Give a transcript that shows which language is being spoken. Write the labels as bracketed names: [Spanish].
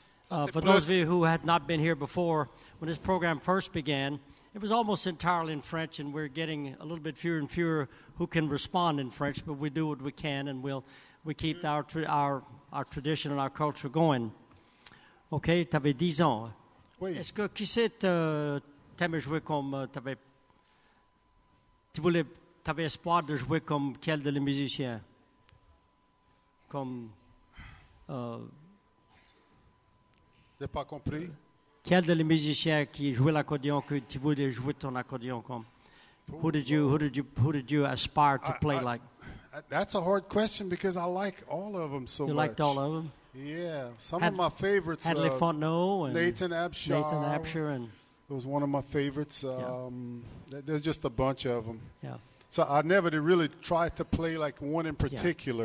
[English] For those of you who had not been here before, when this program first began... It was almost entirely in French, and we're getting a little bit fewer and fewer who can respond in French, but we do what we can, and we keep our tradition and our culture going. [French] OK, tu avais 10 ans. Oui. Est-ce que qui c'est, t'aimais jouer comme, t'avais espoir de jouer comme quel de les musiciens? Comme, j'ai pas compris. Quel de les musiciens qui jouait l'accordéon que tu voulais jouer ton accordéon comme? [English] Who did you aspire to play like? That's a hard question because I like all of them so much. You liked all of them? Yeah, some of my favorites. Hadley Fontenot and Nathan Absher and It was one of my favorites. There's just a bunch of them. Yeah. So I never did really try to play like one in particular.